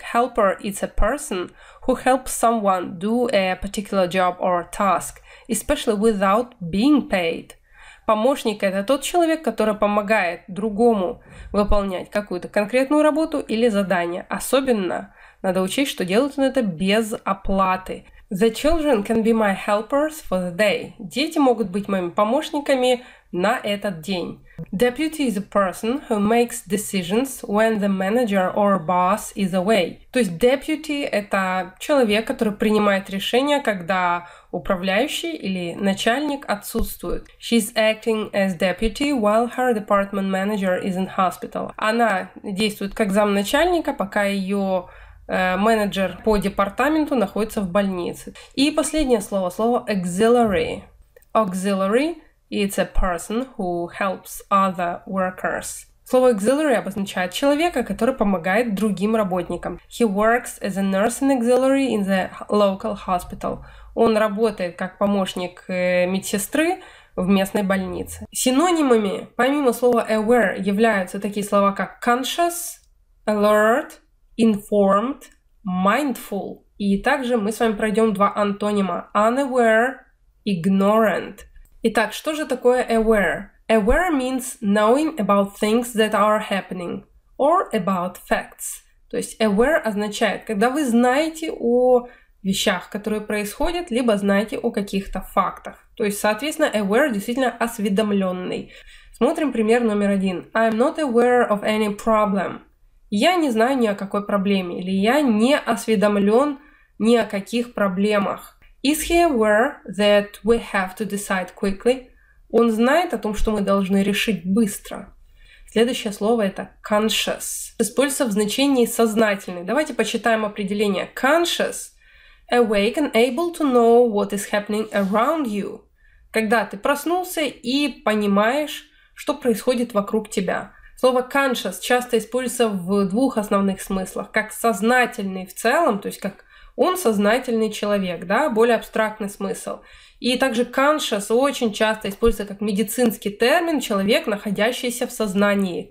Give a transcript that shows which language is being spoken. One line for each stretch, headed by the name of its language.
English: Helper – it's a person who helps someone do a particular job or task, especially without being paid.
Russian: Помощник – это тот человек, который помогает другому выполнять какую-то конкретную работу или задание. Особенно надо учесть, что делает он это без оплаты.
English: The children can be my helpers for the day.
Russian: Дети могут быть моими помощниками на этот день.
English: Deputy is a person who makes decisions when the manager or boss is away.
Russian: То есть deputy – это человек, который принимает решения, когда управляющий или начальник отсутствует.
English: She's acting as deputy while her department manager is in hospital.
Russian: Она действует как замначальника, пока ее менеджер по департаменту находится в больнице. И последнее слово, слово auxiliary.
English: Auxiliary – it's a person who helps other workers.
Russian: Слово auxiliary обозначает человека, который помогает другим работникам.
English: He works as a nursing auxiliary in the local hospital.
Russian: Он работает как помощник медсестры в местной больнице. Синонимами помимо слова aware являются такие слова, как conscious, alert, informed, mindful. И также мы с вами пройдем два антонима. Unaware, ignorant. Итак, что же такое aware?
English: Aware means knowing about things that are happening or about facts.
Russian: То есть aware означает, когда вы знаете о вещах, которые происходят, либо знаете о каких-то фактах. То есть, соответственно, aware действительно осведомленный. Смотрим пример номер один.
English: I'm not aware of any problem.
Russian: Я не знаю ни о какой проблеме, или я не осведомлен ни о каких проблемах.
English: Is he aware that we have to decide quickly?
Russian: Он знает о том, что мы должны решить быстро. Следующее слово это conscious. Используется в значении сознательный. Давайте почитаем определение.
English: Conscious – awake and able to know what is happening around you.
Russian: Когда ты проснулся и понимаешь, что происходит вокруг тебя. Слово conscious часто используется в двух основных смыслах. Как сознательный в целом, то есть как он сознательный человек, да, более абстрактный смысл. И также conscious очень часто используется как медицинский термин, человек, находящийся в сознании.